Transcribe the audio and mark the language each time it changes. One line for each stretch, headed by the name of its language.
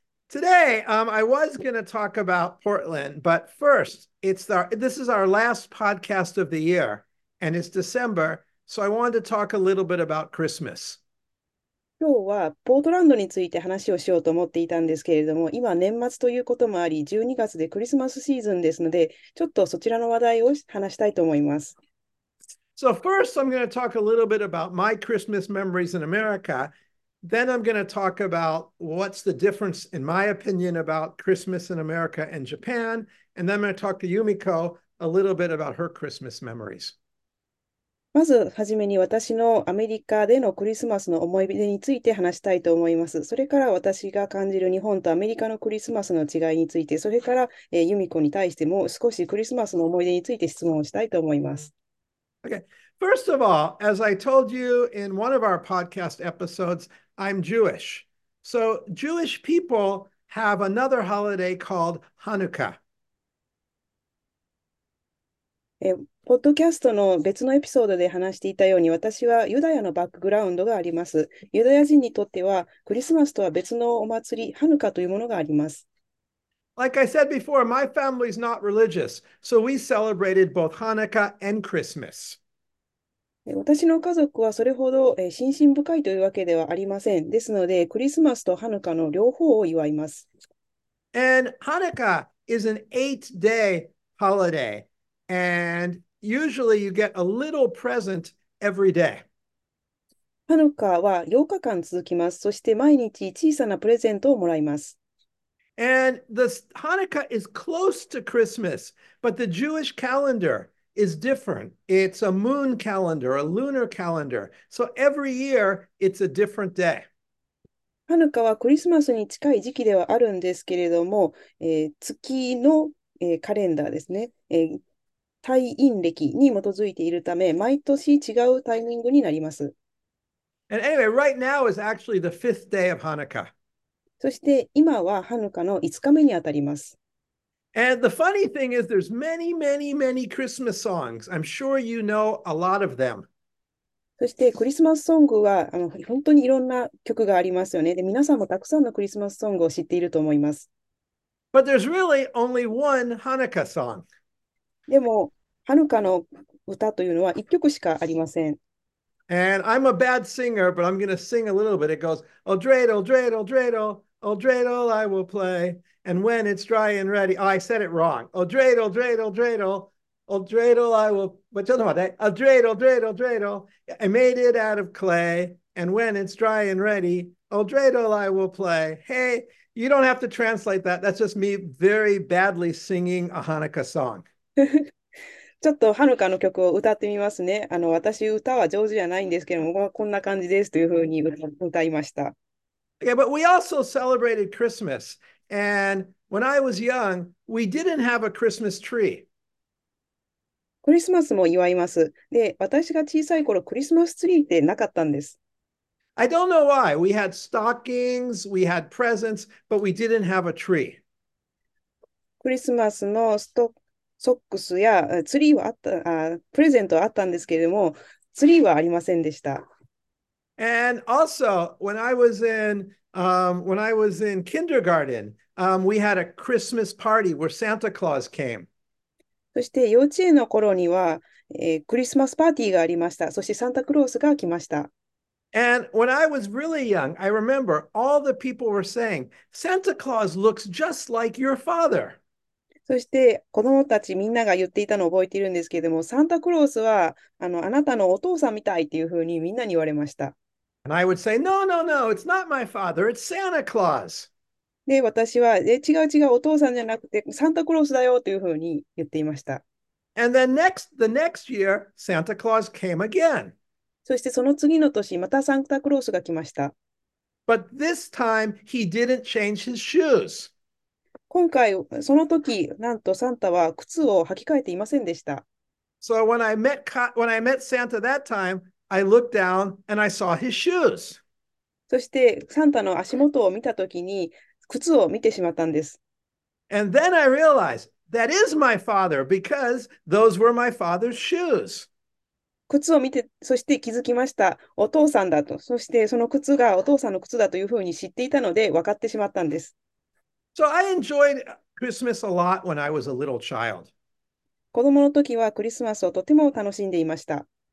English: Today, I was going to talk about Portland, but first, this is our last podcast of the year, and it's December. So I wanted to talk a little bit about Christmas.
Japanese: 今日はポートランドについて話をしようと思っていたんですけれども、今年末ということもあり、12月でクリスマスシーズンですので、ちょっとそちらの話題を話したいと思います。
English: So first I'm going to talk a little bit about my Christmas memories in America. Then I'm going to talk about what's the difference in my opinion about Christmas in America and Japan. And then I'm going to talk to Yumiko a little bit about her Christmas memories.
Japanese: まずはじめに私のアメリカでのクリスマスの思い出について話したいと思います。それから私が感じる日本とアメリカのクリスマスの違いについて、それから、ユミコに対しても少しクリスマスの思い出について質問をしたいと思います。
English: Okay, first of all, as I told you in one of our podcast episodes, I'm Jewish. So Jewish people have another holiday called Hanukkah.
Japanese: ポッドキャストの別のエピソードで話していたように、私はユダヤのバックグラウンドがあります。ユダヤ人にとっては、クリスマスとは別のお祭り、ハヌカというものがあります。
English: Like I said before, my family is not religious, so we celebrated both Hanukkah and Christmas.
Japanese: 私の家族はそれほど心身深いというわけではありません。ですので、クリスマスとハヌカの両方を祝います。
English: And Hanukkah is an 8-day holiday, and usually you get a little present every day.
Japanese: ハヌカは8日間続きます。そして毎日小さなプレゼントをもらいます。
English: And the Hanukkah is close to Christmas, but the Jewish calendar is different. It's a moon calendar, a lunar calendar. So every year, it's a different day.
Japanese: ハヌカはクリスマスに近い時期ではあるんですけれども、月の、カレンダーですね、太陰暦に基づいているため、毎年違うタイミングになります。
English: And anyway, right now is actually the fifth day of Hanukkah.
Japanese: そして今はハヌカの5日目にあたります。
English: And the funny thing is, there's many, many, many Christmas songs. I'm sure you know a lot of them.
Japanese: そしてクリスマスソングは本当にいろんな曲がありますよね。で、皆さんもたくさんのクリスマスソングを知っていると思います。
English: But there's really only one Hanukkah song.
Japanese: でもハヌカの歌というのは1曲しかありません。
English: And I'm a bad singer, but I'm going to sing a little bit. It goes, Oh, dreidel, dreidel, dreidel, oh, dreidel, I will play. And when it's dry and ready, oh, I said it wrong. Oh, dreidel, dreidel, dreidel, oh, dreidel, I will, but you know what? Oh, dreidel, dreidel, dreidel, I made it out of clay. And when it's dry and ready, oh, dreidel, I will play. Hey, you don't have to translate that. That's just me very badly singing a Hanukkah song.
Japanese: ちょっとハヌカの曲を歌ってみますね。私歌は上手じゃないんですけども、こんな感じですというふうに歌いました。
English: Yeah, but we also celebrated Christmas. And when I was young, we didn't have a Christmas tree.
Japanese: クリスマスも祝います。で、私が小さい頃、クリスマスツリーってなかったんです。
English: I don't know why. We had stockings, we had presents, but we didn't have a tree.
Japanese: クリスマスのソックスやツリーはあった、プレゼントはあったんですけれども、ツリーはありませんでした。
English: And also, when I was in kindergarten, we had a Christmas party where Santa Claus came.
Japanese: そして幼稚園の頃には、クリスマスパーティーがありました。そしてサンタクロースが来ました。
English: And when I was really young, I remember all the people were saying, Santa Claus looks just like your father.
Japanese: そして子供たちみんなが言っていたのを覚えているんですけれども、サンタクロースはあなたのお父さんみたいっていうふうにみんなに言われました。
English: And I would say, no, no, no, it's not my father, it's Santa Claus.
Japanese: で、私は、違う違う、お父さんじゃなくて、サンタクロースだよというふうに言っていました。
English: And then the next year, Santa Claus came again.
Japanese: そしてその次の年、またサンタクロースが来ました。
English: But this time, he didn't change his shoes.
Japanese: 今回、その時、なんとサンタは靴を履き替えていませんでした。
English: So when I met Santa that time, I looked down and I saw his shoes.
Japanese: そしてサンタの足元を見たときに靴を見てしまったんです。
English: And then I realized that is my father because those were my father's shoes.
Japanese: 靴を見て、そして気づきました。お父さんだと。そしてその靴がお父さんの靴だというふうに知っていたので分かってしまったんです。
English: So I enjoyed Christmas a lot when I was a little child.
Japanese: 子供の時はクリスマスをとても楽しんでいました。